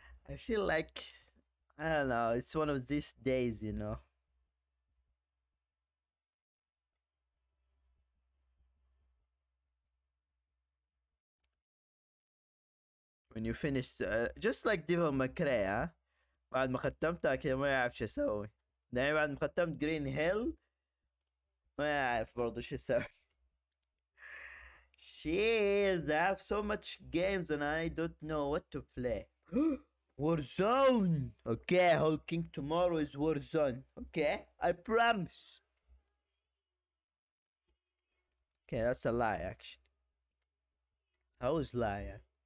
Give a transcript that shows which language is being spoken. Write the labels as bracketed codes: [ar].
[en] I feel like, I don't know, it's one of these days, you know. When you finish, just like Devil May Cry, huh? [ar] بعد ما ختمتها كده ما يعرف شو اسوي. دايما بعد ما ختمت Green Hill ما يعرف برضو شو اسوي. [en] Jeez, I have so much games and I don't know what to play. Warzone! Okay, Hulk King tomorrow is Warzone. Okay, I promise. Okay, that's a lie actually. I was lying.